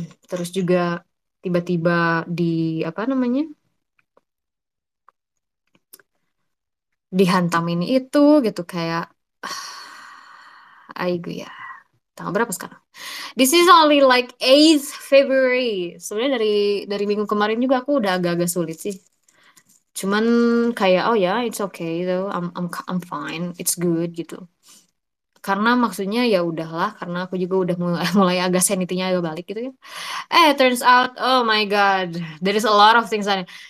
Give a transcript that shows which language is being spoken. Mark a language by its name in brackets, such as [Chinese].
[Indonesian] Terus juga tiba-tiba di apa namanya, dihantam ini itu gitu kayak aigu ya. Tanggal berapa sekarang? [English] This is only like 8th February. [Indonesian] Sebenarnya dari minggu kemarin juga aku udah agak-agak sulit sih. Cuman kayak oh ya, [English] yeah, it's okay though. I'm fine. It's good gitu. [Indonesian] Karena maksudnya ya udahlah, karena aku juga udah mulai agak sanity-nya agak balik gitu ya. [English] Eh, turns out oh my god, there is a lot of things on it.